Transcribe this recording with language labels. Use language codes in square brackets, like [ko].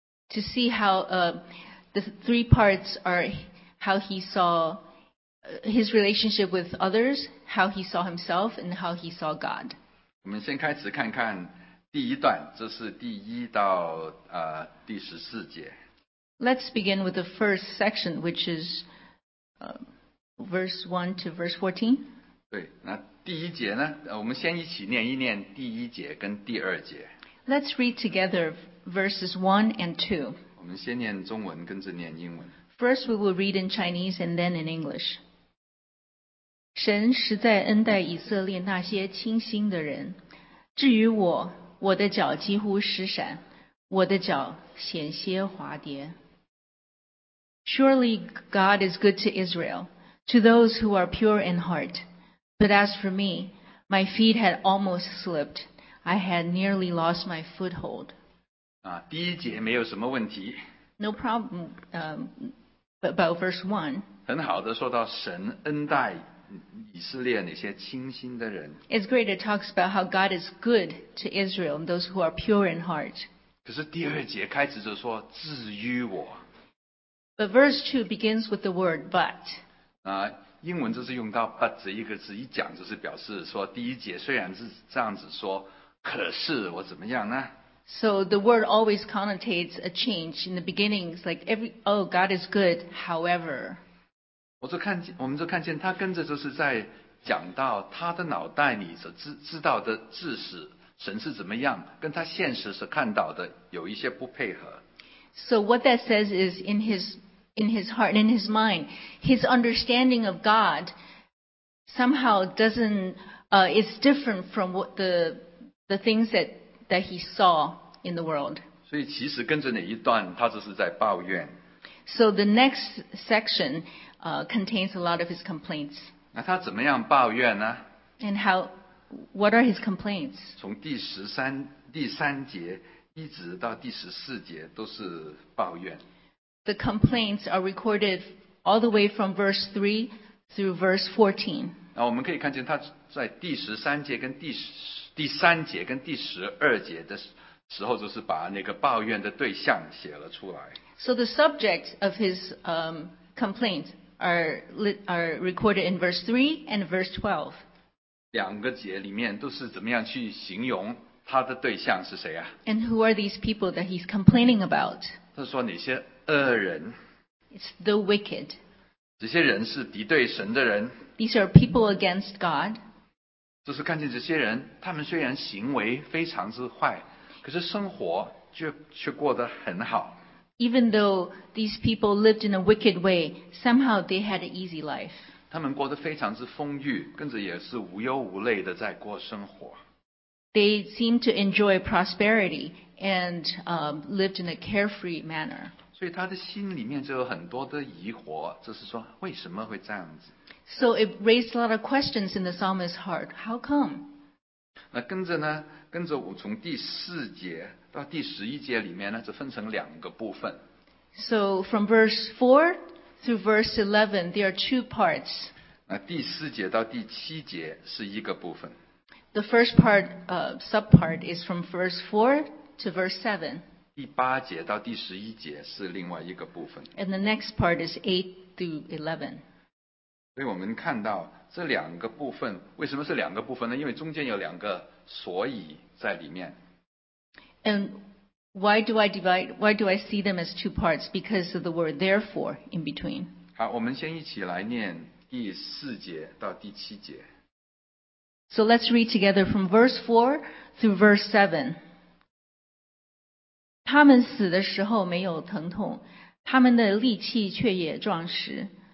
[en] To see how the 3 parts are how he saw his relationship with others, how he saw himself, and how he saw God. [zh] 我们先开始看看第一段，这是第一到第十四节。 [en] Let's begin with the first section, which is verse 1 to verse 14. [zh] 对，那第一节呢？我们先一起念一念第一节跟第二节。 [en] Let's read together verses 1 and 2. [zh] 我们先念中文，跟着念英文。 [en] First, we will read in Chinese and then in English. [zh] 神实在恩待以色列那些清心的人。至于我，我的脚几乎失闪，我的脚险些滑跌。 [en] Surely God is good to Israel, to those who are pure in heart. But as for me, my feet had almost slipped. I had nearly lost my foothold. [zh] 啊，第一节没有什么问题。 [en] No problem. About verse 1. [zh] 很好的说到神恩待以色列那些清心的人。 [en] It's great. It talks about how God is good to Israel and those who are pure in heart. [zh] 可是第二节开始就说至于我。 [en] But verse 2 begins with the word but. [zh] 英文就是用到 but 这一个字，一讲就是表示说第一节虽然是这样子说，可是我怎么样呢？ [en] So the word always connotates a change in the beginning. It's like, oh, God is good, however. [zh] 我们就看见他跟着就是在讲到他的脑袋里所知道的知识，神是怎么样，跟他现实所看到的有一些不配合。 [en] So what that says is in his heart and in his mind, his understanding of God somehow is different from what the things that he saw in the world. [zh] 所以其实跟着哪一段，他就是在抱怨。 [en] So the next section contains a lot of his complaints. [zh] 那他怎么样抱怨呢？ [en] And how? What are his complaints? [zh] 从第三节。一直到第十四节都是抱怨。 [en] The complaints are recorded all the way from verse 3 through verse 14. [zh] 我们可以看见他在第十三节跟第三节跟第十二节的时候，就是把那个抱怨的对象写了出来。 [en] So the subject of his complaints are recorded in verse 3 and verse 12. [zh] 两个节里面都是怎么样去形容他的对象是谁啊？ [en] And who are these people that he's complaining about? [zh] 他说哪些恶人？ [en] It's the wicked. [zh] 这些人是敌对神的人。 [en] These are people against God. [zh] 就是看见这些人，他们虽然行为非常之坏，可是生活却过得很好。 [en] Even though these people lived in a wicked way, somehow they had an easy life. [zh] 他们过得非常之丰裕，跟着也是无忧无虑的在过生活。 [en] They seem to enjoy prosperity and lived in a carefree manner. [zh] 所以他的心里面就有很多的疑惑，就是说为什么会这样子。 [en] So it raised a lot of questions in the psalmist's heart. How come? [zh] 那跟着我从第四节到第十一节里面呢，就分成两个部分。 [en] So from verse 4 through verse 11, there are two parts. [zh] 那第四节到第七节是一个部分。 [en] The first part, subpart, is from verse 4 to verse 7. [zh] 第八节到第十一节是另外一个部分。 [en] And the next part is 8 to 11. [zh] 所以我们看到这两个部分，为什么是两个部分呢？因为中间有两个所以在里面。 [en] And why do I see them as two parts? Because of the word therefore in between. [zh] 好，我们先一起来念第四节到第七节。 [en] So let's read together from verse 4 through verse 7. [zh] 他们死的时候没有疼痛，他们的力气却也壮实。